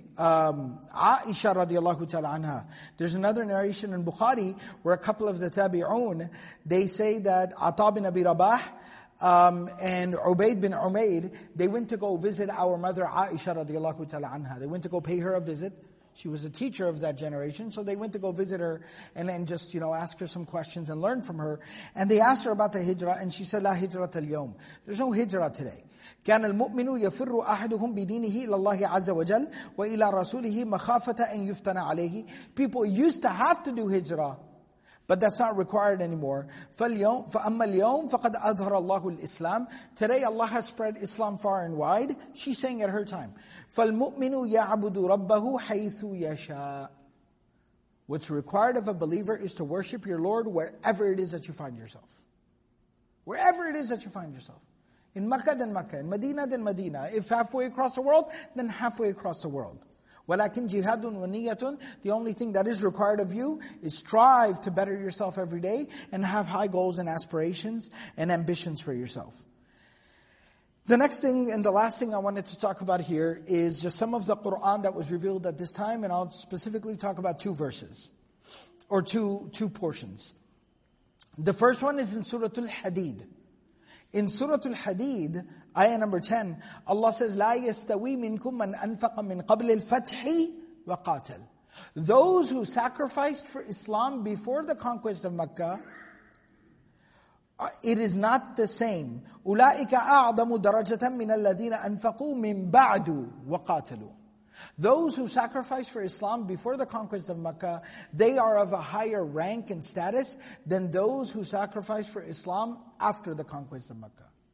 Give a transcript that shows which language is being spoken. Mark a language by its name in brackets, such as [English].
[English] Aisha radiallahu ta'ala anha. There's another narration in Bukhari where a couple of the tabi'un, they say that Ata bin Abi Rabah and Ubaid bin Umayr, they went to go visit our mother Aisha radiallahu ta'ala anha. They went to go pay her a visit. She was a teacher of that generation. So they went to go visit her and then just, you know, ask her some questions and learn from her. And they asked her about the hijrah and she said, [Arabic] لا هجرة اليوم. [English] There's no hijrah today. [Arabic] كان المؤمن يفر أحدهم بدينه إلى الله عز وجل وإلى رسوله مخافة أن يفتن عليه. [English] People used to have to do hijrah, but that's not required anymore. [Arabic] فأما اليوم فقد أظهر الله الإسلام. [English] Today Allah has spread Islam far and wide. She's saying at her time. [Arabic] فالمؤمن يعبد ربه حيث يشاء. [English] What's required of a believer is to worship your Lord wherever it is that you find yourself. Wherever it is that you find yourself. In Makkah, then Makkah. In Medina, then Medina. If halfway across the world, then halfway across the world. [Arabic] وَلَكِنْ جِهَادٌ وَنِيَّةٌ. [English] The only thing that is required of you is strive to better yourself every day and have high goals and aspirations and ambitions for yourself. The next thing and the last thing I wanted to talk about here is just some of the Qur'an that was revealed at this time, and I'll specifically talk about two verses or two portions. The first one is in Surah Al-Hadid. In Surah Al-Hadid, ayah number 10, Allah says, [Arabic] لَا يَسْتَوِي مِنْكُمْ مَنْ أَنْفَقَ مِنْ قَبْلِ الْفَتْحِ وَقَاتَلِ. [English] Those who sacrificed for Islam before the conquest of Makkah, it is not the same. [Arabic] أُولَٰئِكَ أَعْظَمُ دَرَجَةً مِنَ الَّذِينَ أَنْفَقُوا مِنْ بَعْدُ وَقَاتَلُوا. [English] Those who sacrificed for Islam before the conquest of Makkah, they are of a higher rank and status than those who sacrificed for Islam after the conquest of Makkah.